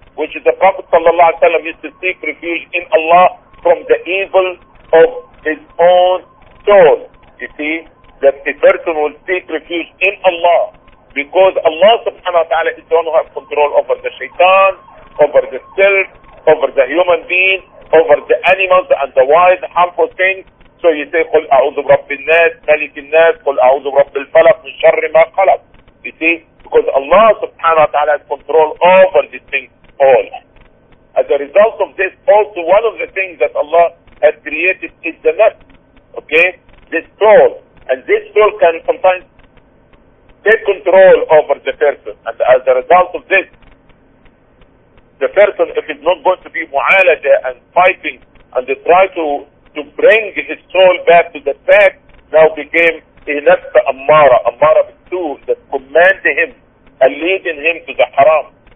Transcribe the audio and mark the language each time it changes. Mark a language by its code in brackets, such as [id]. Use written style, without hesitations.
[en] Which is the Prophet sallallahu alayhi wa sallam used to seek refuge in Allah from the evil of his own soul. You see, that the person will seek refuge in Allah, because Allah subhanahu wa ta'ala is the one who has control over the shaitan, over the self, over the human being, over the animals and the wild, harmful things. So you say, [ar] قُلْ أَعُوذُ بِرَبِّ النَّاسِ مَلِكِ النَّاسِ قُلْ أَعُوذُ بِرَبِّ الْفَلَقِ مِنْ شَرِّ مَا خَلَقَ. [en] You see, because Allah subhanahu wa ta'ala has control over these things all. As a result of this, also one of the things that Allah has created is the nafs. Okay? This soul, and this soul can sometimes take control over the person, and as a result of this, the person, if it's not going to be mu'alaja and fighting, and they try to bring his soul back to the fact, now became a nafs ammara, ammara bisu, that command him and leading him to the haram.